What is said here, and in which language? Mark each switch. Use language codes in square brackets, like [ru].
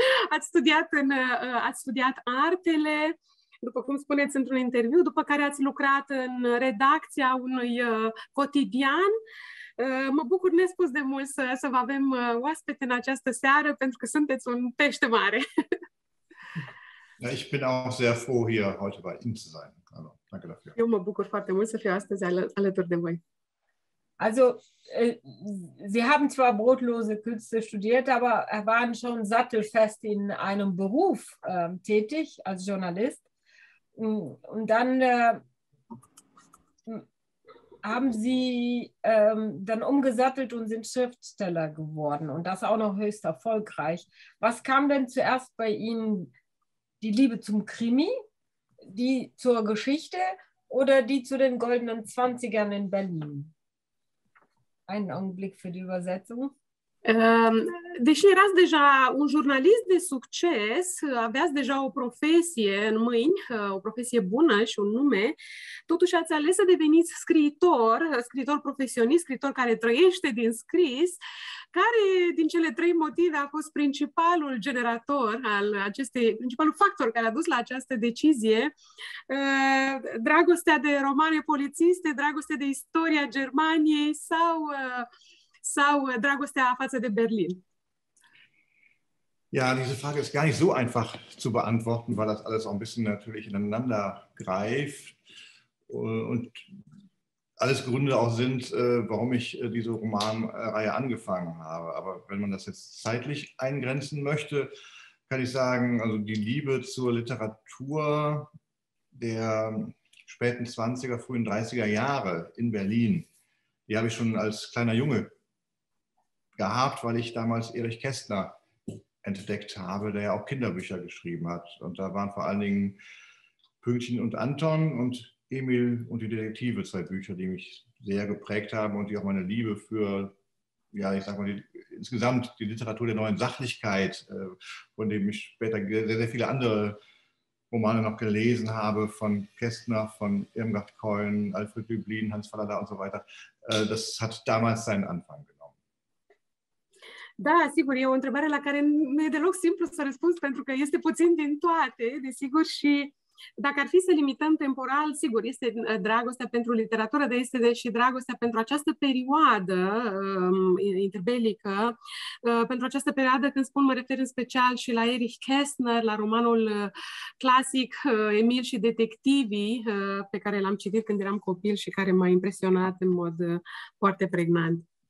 [ro] ați studiat artele, după cum spuneți într-un interviu, după care ați lucrat în redacția unui cotidian. Mă bucur nespus de mult să vă avem oaspete în această seară, pentru că sunteți un pește mare. [de] Ja, ich bin auch sehr froh, hier heute bei Ihnen zu sein. Also, danke dafür. [ro] Eu mă bucur foarte mult să fiu astăzi alături de voi. [de] Also, Sie haben zwar brotlose Künste studiert, aber waren schon sattelfest in einem Beruf tätig als Journalist. Und dann haben Sie dann umgesattelt und sind Schriftsteller geworden und das auch noch höchst erfolgreich. Was kam denn zuerst bei Ihnen, die Liebe zum Krimi, die zur Geschichte oder die zu den goldenen 20ern in Berlin? Einen Augenblick für die Übersetzung. [ro] Deși erați deja un jurnalist de succes, aveați deja o profesie în mâini, o profesie bună și un nume, totuși ați ales să deveniți scriitor, scriitor profesionist, scriitor care trăiește din scris. Care din cele trei motive a fost principalul generator al acestei, principalul factor care a dus la această decizie? Dragostea de romane polițiste, dragostea de istoria Germaniei sau dragostea față de Berlin? [de] Ja, diese Frage ist gar nicht so einfach zu beantworten, weil das alles auch ein bisschen natürlich ineinander greift und alles Gründe auch sind, warum ich diese Romanreihe angefangen habe. Aber wenn man das jetzt zeitlich eingrenzen möchte, kann ich sagen, also die Liebe zur Literatur der späten 20er, frühen 30er Jahre in Berlin, die habe ich schon als kleiner Junge gehabt, weil ich damals Erich Kästner entdeckt habe, der ja auch Kinderbücher geschrieben hat. Und da waren vor allen Dingen Pünktchen und Anton und Emil und die Detektive zwei Bücher, die mich sehr geprägt haben und die auch meine Liebe für, ja, ich sag mal, insgesamt die Literatur der neuen Sachlichkeit, von dem ich später sehr, sehr viele andere Romane noch gelesen habe, von Kästner, von Irmgard Keun, Alfred Döblin, Hans Fallada und so weiter, das hat damals seinen Anfang gemacht. [ro] Da, sigur, e o întrebare la care nu e deloc simplu să răspund, pentru că este puțin din toate, desigur, și dacă ar fi să limităm temporal, sigur, este dragostea pentru literatură, dar este și dragostea pentru această perioadă interbelică, pentru această perioadă, când spun, mă refer în special și la Erich Kästner, la romanul clasic Emil și detectivii, pe care l-am citit când eram copil și care m-a impresionat în mod foarte pregnant.